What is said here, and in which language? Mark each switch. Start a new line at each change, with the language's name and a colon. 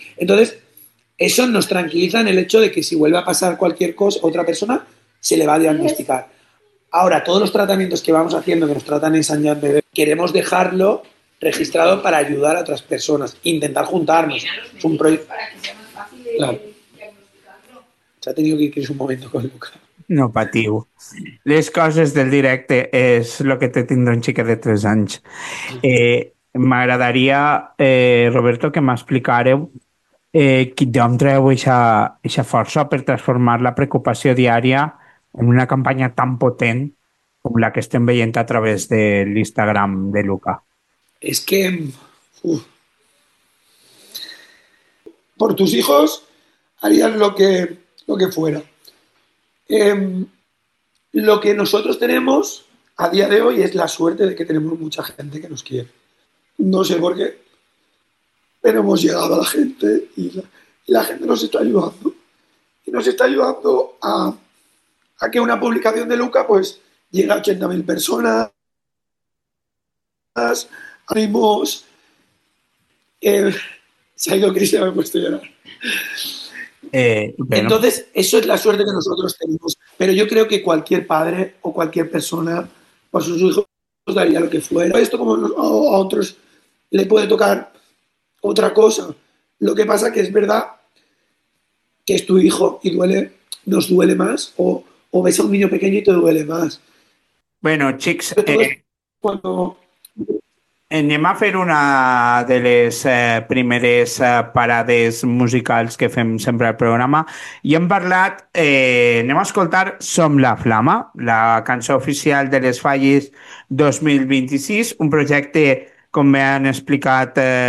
Spanish: Entonces, eso nos tranquiliza en el hecho de que si vuelve a pasar cualquier cosa, otra persona se le va a diagnosticar. Ahora, todos los tratamientos que vamos haciendo, que nos tratan en Sanyan Bebé, queremos dejarlo registrado para ayudar a otras personas, intentar juntarnos. Es un proyecto para que sea más fácil diagnosticarlo. Se ha tenido que irse un momento con Luca.
Catalan: No patiu. Les coses del directe és el que té tindre un xiquet de 3 anys. M'agradaria, Roberto, que m'explicàreu D'on treu aquesta força per transformar la preocupació diària en una campanya tan potent com la que estem veient a través de l'Instagram de Luca? És que...
Spanish: Por tus hijos harían lo que fuera. Lo que nosotros tenemos a día de hoy es la suerte de que tenemos mucha gente que nos quiere. No sé por qué, pero hemos llegado a la gente y la gente nos está ayudando. Y nos está ayudando a que una publicación de Luca pues llegue a 80.000 personas. Abrimos... se ha ido Cristian, me he puesto a llorar. Bueno. Entonces, eso es la suerte que nosotros tenemos. Pero yo creo que cualquier padre o cualquier persona por sus hijos daría lo que fuera. Esto como a otros le puede tocar otra cosa. Lo que pasa que es verdad que es tu hijo y duele, nos duele más. O ves a un niño pequeño y te duele más. Bueno, chicos, cuando...
Catalan: anem a fer una de les primeres parades musicals que fem sempre al programa i hem parlat, anem a escoltar Som la Flama, la cançó oficial de les Fallis 2026, un projecte, com m'han explicat